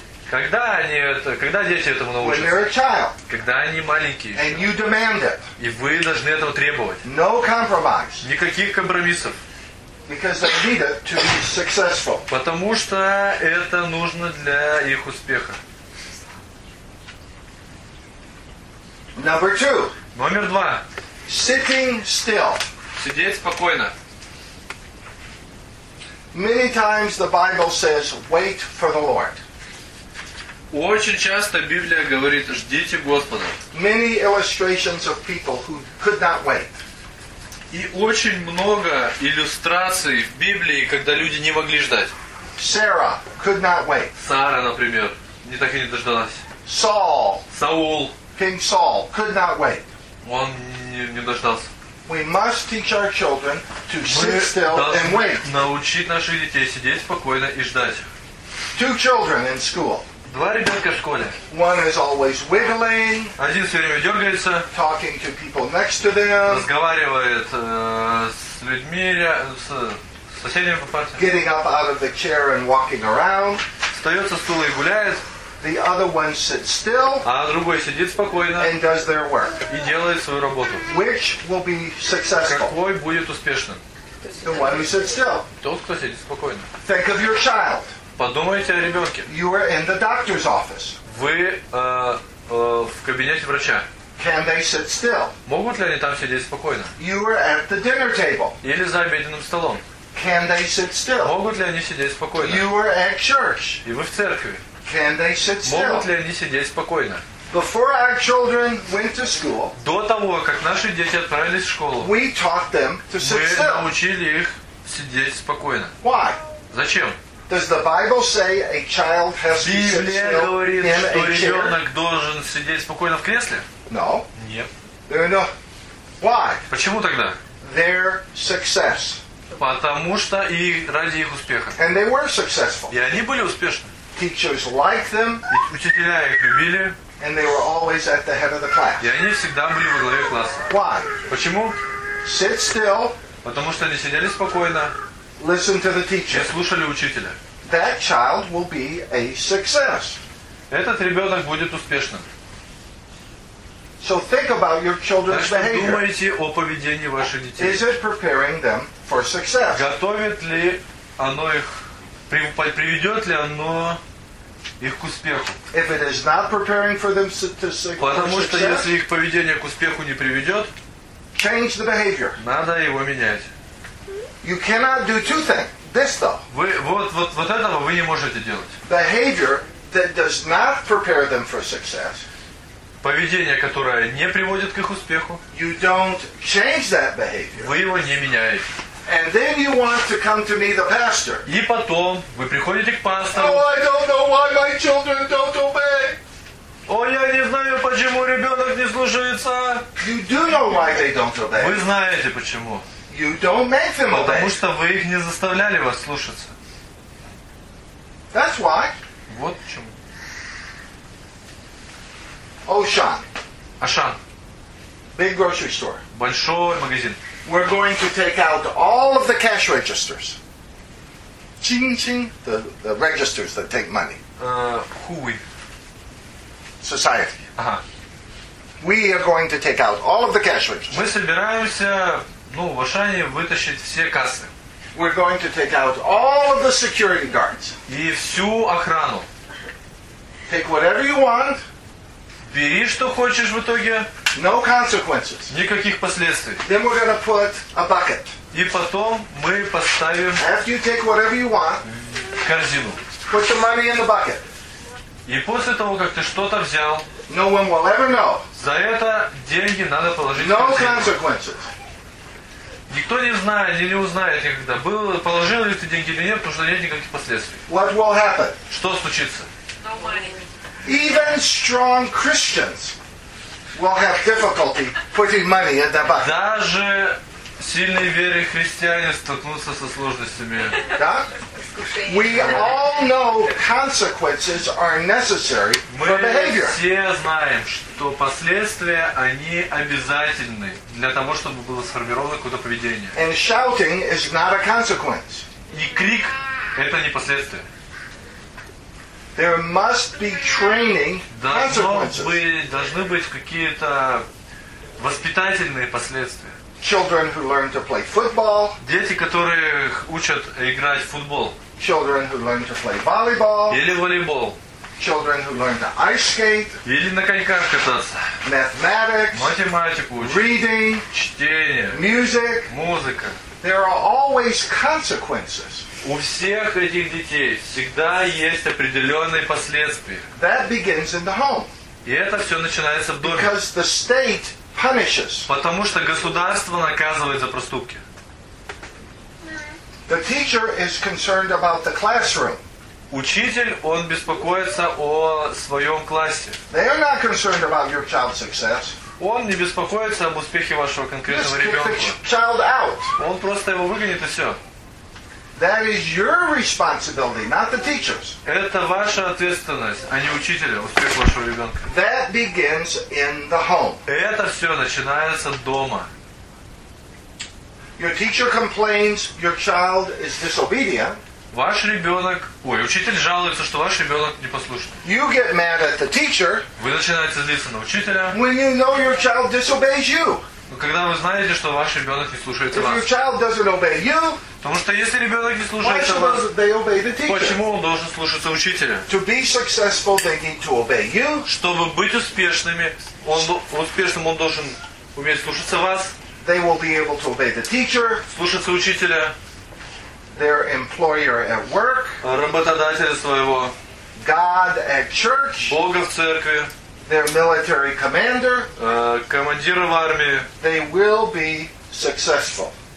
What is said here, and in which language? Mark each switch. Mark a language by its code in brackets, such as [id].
[ru] Когда дети этому научатся? Когда они маленькие еще. И вы должны этого требовать. [en] No compromise. [ru] Никаких компромиссов. [en] Because they need it to be successful. [ru] Потому что это нужно для их успеха. [en] Number two. [ru] Номер два. [en] Sitting still. [ru] Сидеть спокойно. [en] Many times the Bible says, "Wait for the Lord." [ru] Очень часто Библия говорит, ждите Господа. [en] Many illustrations of people who could not wait. [ru] И очень много иллюстраций в Библии, когда люди не могли ждать. [en] Sarah could not wait. [ru] Сара, например, не так и не дождалась. [en] Saul. [ru] Саул. [en] King Saul could not wait. [ru] Он не дождался. [en] We must teach our children to sit still and wait. [ru] Научить наших детей сидеть спокойно и ждать. [en] Two children in school. [ru] Два ребенка в школе. [en] One is always wiggling. [ru] Один все время дергается. [en] Talking to people next to them. [ru] Разговаривает с людьми, с соседями по парте. [en] Getting up out of the chair and walking around. [ru] Встает со стула и гуляет. [en] The other one sits still. [ru] А другой сидит спокойно. [en] And does their work. [ru] И делает свою работу. [en] Which will be successful? [ru] Какой будет успешным? [en] The one who sits still. [ru] Тот, кто сидит спокойно. [en] Think of your child. [ru] Подумайте о ребенке. [en] You are in the doctor's office. [ru] Вы в кабинете врача. [en] Can they sit still? [ru] Могут ли они там сидеть спокойно? [en] You are at the dinner table. [ru] Или за обеденным столом. [en] Can they sit still? [ru] Могут ли они сидеть спокойно? [en] You are at church. [ru] И вы в церкви. [en] Can they sit still? [ru] Могут ли они сидеть спокойно? [en] Before our children went to school, [ru] до того, как наши дети отправились в школу, [en] we taught them to sit still. [ru] Мы научили их сидеть спокойно. [en] Why? [ru] Зачем? [en] Does the Bible say a child has to sit still in a chair? [ru] Библия говорит, что ребенок должен сидеть спокойно в кресле? [en] No. [ru] Нет. [en] There no. Why? [ru] Почему тогда? [en] Their success. [ru] Потому что и ради их успеха. [en] And they were successful. [ru] И они были успешны. [en] Teachers liked them. [ru] И учителя их любили. [en] And they were always at the head of the class. [ru] И они всегда были во главе класса. [en] Why? [ru] Почему? [en] Sit still. [ru] Потому что они сидели спокойно. [en] Listen to the teacher. [ru] И слушали учителя. [en] That child will be a success. [ru] Этот ребенок будет успешным. [en] So think about your children's behavior. [ru] Думайте о поведении ваших детей. [en] Is it preparing them for success? [ru] Готовит ли оно их, приведет ли оно их к успеху? [en] If it is not preparing for them to success, [ru] потому что если их поведение к успеху не приведет, [en] change the behavior. [ru] Надо его менять. [en] You cannot do two things. This though. [ru] Вы вот этого вы не можете делать. [en] Behavior that does not prepare them for success. [ru] Поведение, которое не приводит к их успеху. [en] You don't change that behavior. [ru] Вы его не меняете. [en] And then you want to come to me, the pastor. [ru] И потом вы приходите к пастору. [en] Oh, I don't know why my children don't obey. [ru] О, я не знаю, почему ребенок не слушается. [en] You do know why they don't obey. [ru] Вы знаете почему. [en] You don't make them obey. [ru] Потому что вы их не заставляли вас слушаться. [en] That's why. [ru] Вот почему. [en] Ocean. [ru] Ашан. [en] Big grocery store. [ru] Большой магазин. [en] We're going to take out all of the cash registers. Ching ching. The registers that take money. Who we? Society. [ru] Ага. [en] We are going to take out all of the cash registers. [ru] Мы собираемся, ну, в Ашане вытащить все кассы. [en] We're going to take out all of the security guards. [ru] И всю охрану. [en] Take whatever you want. [ru] Бери, что хочешь в итоге. [en] No consequences. [ru] Никаких последствий. [en] Then we're gonna put a bucket. [ru] И потом мы поставим. [en] After you take whatever you want. [ru] Корзину. [en] Put the money in the bucket. [ru] И после того, как ты что-то взял. [en] No one will ever know. [ru] За это деньги надо положить. [en] No [ru] в корзину. [en] Consequences. [ru] Никто не знает или не узнает никогда, был, положил ли ты деньги или нет, потому что нет никаких последствий. [en] What will happen? [ru] Что случится? [en] No money. Even strong Christians will have difficulty putting money in their bucket. [ru] Даже сильные веры христиане столкнутся со сложностями. Да? [en] We all know consequences are necessary for behavior. [ru] Мы все знаем, что последствия они обязательны для того, чтобы было сформировано какое-то поведение. [en] And shouting is not a consequence. [ru] И крик это не последствие. [en] There must be training consequences. [ru] Должны быть какие-то воспитательные последствия. [en] Children who learn to play football. [ru] Дети, которые учат играть в футбол. [en] Children who learn to play volleyball. [ru] Или волейбол. [en] Children who learn to ice skate. [ru] Или на коньках кататься. [en] Mathematics. [ru] Математику учат. [en] Reading. [ru] Чтение. [en] Music. [ru] Музыка. [en] There are always consequences. [ru] У всех этих детей всегда есть определенные последствия. [en] That begins in the home. [ru] И это все начинается в доме. [en] Because the state punishes. [ru] Потому что государство наказывает за проступки. [en] The teacher is concerned about the classroom. [ru] Учитель, он беспокоится о своем классе. [en] They are not concerned about your child's success. [ru] Он не беспокоится об успехе вашего конкретного ребенка. [en] Child out. [ru] Он просто его выгонит и все. [en] That is your responsibility, not the teacher's. [ru] Это ваша ответственность, а не учителя, успех вашего ребенка. [en] That begins in the home. [ru] Это все начинается дома. [en] Your teacher complains your child is disobedient. [ru] Ваш ребенок, ой, учитель жалуется, что ваш ребенок непослушный. [en] You get mad at the teacher. [ru] Вы начинаете злиться на учителя. [en] When you know your child disobeys you. [ru] Когда вы знаете, что ваш ребенок не слушается вас. [en] If your child doesn't obey you. [ru] Потому что если ребенок не слушается вас, почему он должен слушаться учителя? [en] To be successful, they need to obey you. [ru] Чтобы быть успешными, он должен уметь слушаться вас. [en] They will be able to obey the teacher. [ru] Слушаться учителя. [en] Their employer at work. [ru] Работодателя своего. [en] God at church. [ru] Бога в церкви. [en] Their military commander. [ru] Командира в армии. [en] They will be successful.